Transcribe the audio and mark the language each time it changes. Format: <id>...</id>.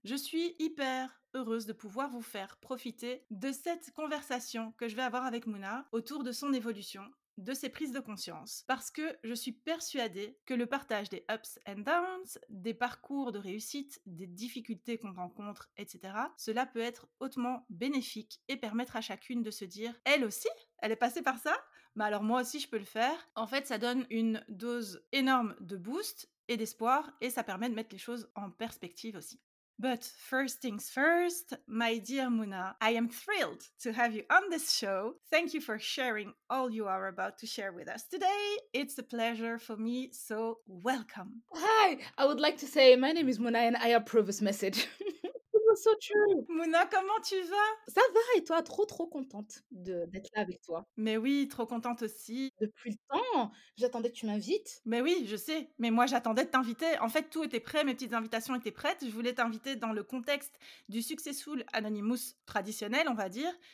<fr>Je suis hyper heureuse de pouvoir vous faire profiter de cette conversation que je vais avoir avec Mouna autour de son évolution, de ses prises de conscience, parce que je suis persuadée que le partage des</fr> <en>ups and downs,</en> <fr>des parcours de réussite, des difficultés qu'on rencontre, etc., cela peut être hautement bénéfique et permettre à chacune de se dire « Elle aussi, elle est passée par ça ? Bah alors moi aussi je peux le faire !» En fait, ça donne une dose énorme de boost et d'espoir, et ça permet de mettre les choses en perspective aussi.</fr> <en>But first things first, my dear Mouna, I am thrilled to have you on this show. Thank you for sharing all you are about to share with us today. It's a pleasure for me, so welcome. Hi, I would like to say my name is Mouna and I approve this message. So true.</en> <fr>Mouna, comment tu vas? Ça va et toi? Trop contente d'être là avec toi. Mais oui, trop contente aussi. Depuis le temps, j'attendais que tu m'invites. Mais oui, je sais. Mais moi, j'attendais de t'inviter. En fait, tout était prêt, mes petites invitations étaient prêtes. Je voulais t'inviter dans le contexte du Successful Anonymous traditionnel, on va dire.</fr>